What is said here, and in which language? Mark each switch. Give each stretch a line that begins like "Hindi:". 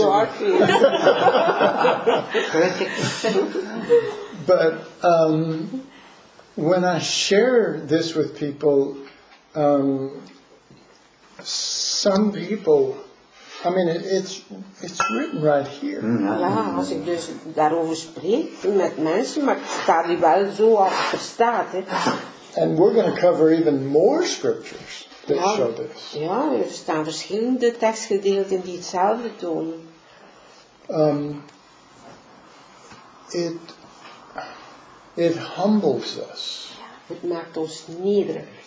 English: You are crazy. But when I share this with people, some people, I mean, it's written right here.
Dutch: Ja, als ik dus daarover spreek met mensen, maar het staat hier wel zo als het er staat.
English: And we're going to cover even more scriptures.
Dutch: Ja, er staan verschillende tekstgedeelten die hetzelfde tonen.
English: It humbles us.
Dutch: Het maakt ons nederig.